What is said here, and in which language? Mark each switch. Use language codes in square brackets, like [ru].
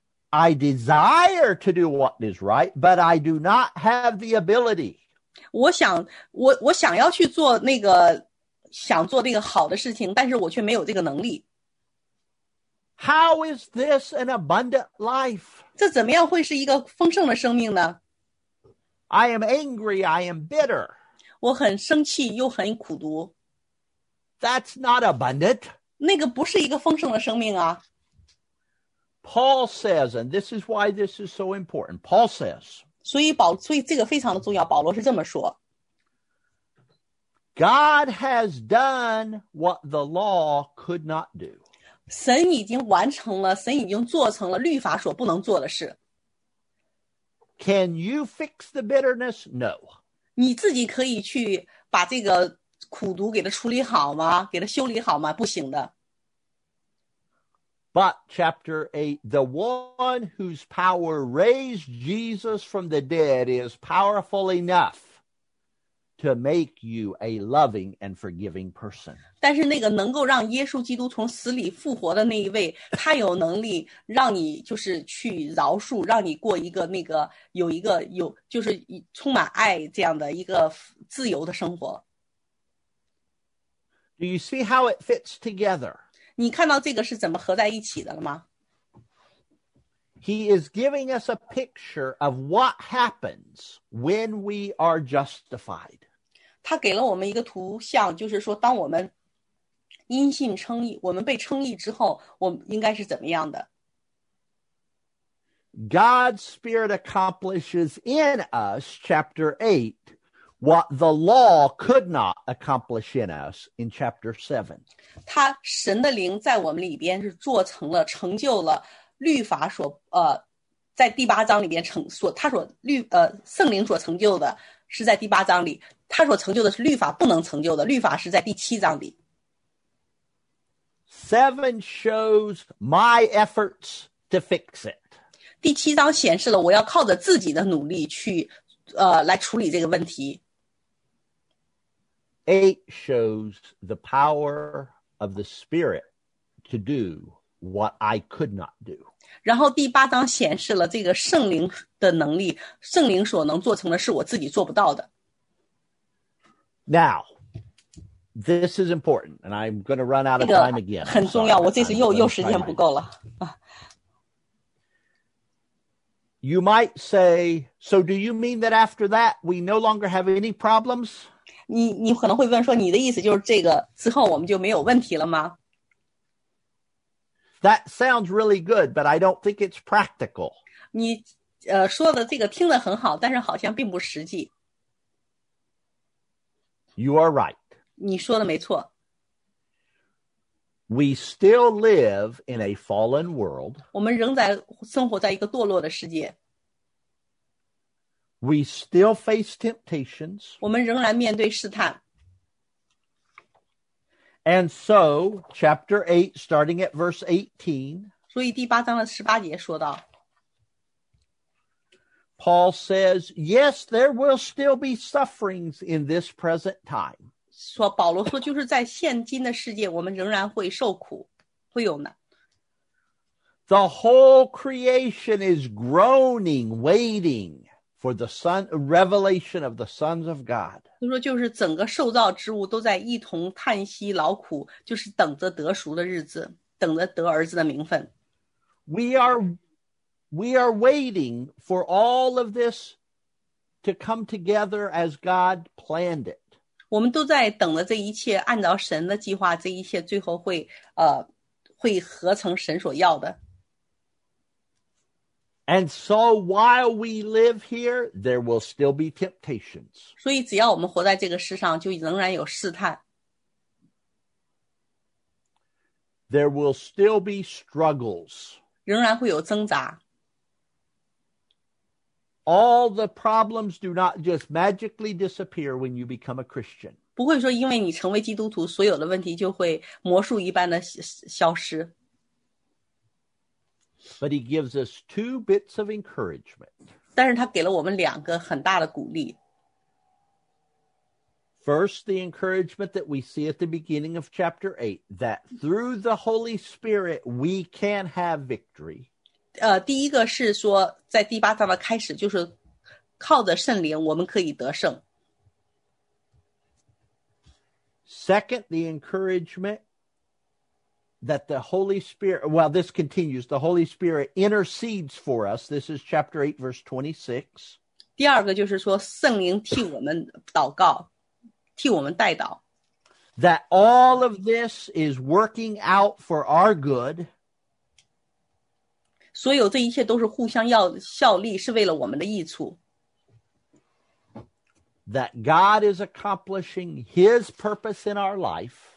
[en] I desire to do what is right, but I do not have the ability. [zh] 我想要去做那个想做那个好的事情，但是我却没有这个能力。 [en] How is this an abundant life? [zh] 这怎么样会是一个丰盛的生命呢？ [en] I am angry, I am bitter. [zh] 我很生气又很苦毒。 [en] That's not abundant. [zh] 那个不是一个丰盛的生命啊。 [en] Paul says, and this is why this is so important. Paul says, [zh] 所以这个非常的重要，保罗是这么说。 [en] God has done what the law could not do. [zh] 神已经完成了，神已经做成了律法所不能做的事。 [en] Can you fix the bitterness? No. [zh] 你自己可以去把这个苦毒给它处理好吗？给它修理好吗？不行的。 [en] But chapter 8, the one whose power raised Jesus from the dead is powerful enough to make you a loving and forgiving person. [zh] 但是那个能够让耶稣基督从死里复活的那一位，他有能力让你就是去饶恕，让你过一个那个有一个有就是充满爱这样的一个自由的生活。 [en] Do you see how it fits together? [zh] 你看到这个是怎么合在一起的了吗？ [en] He is giving us a picture of what happens when we are justified. [zh] 他给了我们一个图像，就是说当我们因信称义，我们被称义之后，我们应该是怎么样的？ [en] God's Spirit accomplishes in us, chapter 8, what the law could not accomplish in us in chapter 7. [zh] 他神的灵在我们里边是做成了，成就了律法所在第八章里边成所他所律圣灵所成就的是在第八章里，他所成就的是律法不能成就的，律法是在第七章里。 [en] 7 shows my efforts to fix it. [zh] 第七章显示了我要靠着自己的努力去来处理这个问题。 [en] 8 shows the power of the Spirit to do what I could not do. [zh] 然后第八章显示了这个圣灵的能力，圣灵所能做成的是我自己做不到的。 [en] Now, this is important, and I'm going to run out of time again. [zh] 很重要，我这次又时间不够了。 [en] You might say, so do you mean that after that we no longer have any problems? [zh] 你可能会问说，你的意思就是这个之后我们就没有问题了吗？ [en] That sounds really good, but I don't think it's practical. [zh] 你说的这个听得很好，但是好像并不实际。 [en] You are right. [zh] 你说的没错。 [en] We still live in a fallen world. [zh] 我们仍在生活在一个堕落的世界。 [en] We still face temptations. [zh] 我们仍然面对试探。 [en] And so, chapter 8, starting at verse 18. [zh] 所以第八章的十八节说到。 [en] Paul says, yes, there will still be sufferings in this present time. [zh] 说保罗说就是在现今的世界我们仍然会受苦，会有呢。 [en] The whole creation is groaning, waiting for the son, revelation of the sons of God. [zh] 就是整个受造之物都在一同叹息劳苦，就是等着得赎的日子，等着得儿子的名分。 [en] We are waiting for all of this to come together as God planned it. [zh] 我们都在等着这一切按照神的计划，这一切最后会会合成神所要的。 [en] And so while we live here, there will still be temptations. [zh] 所以只要我们活在这个世上，就仍然有试探。 [en] There will still be struggles. [zh] 仍然会有挣扎。 [en] All the problems do not just magically disappear when you become a Christian. [zh] 不会说因为你成为基督徒，所有的问题就会魔术一般的消失。 [en] But he gives us two bits of encouragement. [zh] 但是他给了我们两个很大的鼓励。 [en] First, the encouragement that we see at the beginning of chapter 8, that through the Holy Spirit, we can have victory. [zh] 第一个是说在第八章的开始，就是靠着圣灵我们可以得胜。 [en] Second, the encouragement that the Holy Spirit, well, this continues, the Holy Spirit intercedes for us. This is chapter 8, verse 26. [zh] 第二个就是说圣灵替我们祷告，替我们代祷。 [en] That all of this is working out for our good. [zh] 所有这一切都是互相要效力，是为了我们的益处。 [en] That God is accomplishing his purpose in our life.